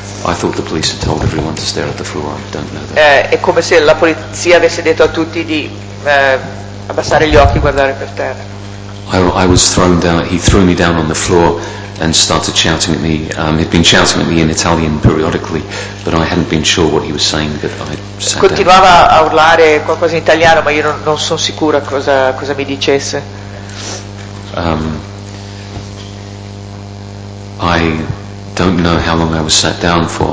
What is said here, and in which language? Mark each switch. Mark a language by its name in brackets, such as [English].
[English] I thought the police had told everyone to stare at the floor. I don't know that. [Italian] È come se la polizia avesse detto a tutti di abbassare gli occhi e guardare per terra. [English] I was thrown down. He threw me down on the floor and started shouting at me. He'd been shouting at me in Italian periodically, but I hadn't been sure what he was saying. But I sat [Italian] continuava [English] down. [Italian] A urlare qualcosa in italiano, ma io non sono sicura cosa mi dicesse. [English] I don't know how long I was sat down for.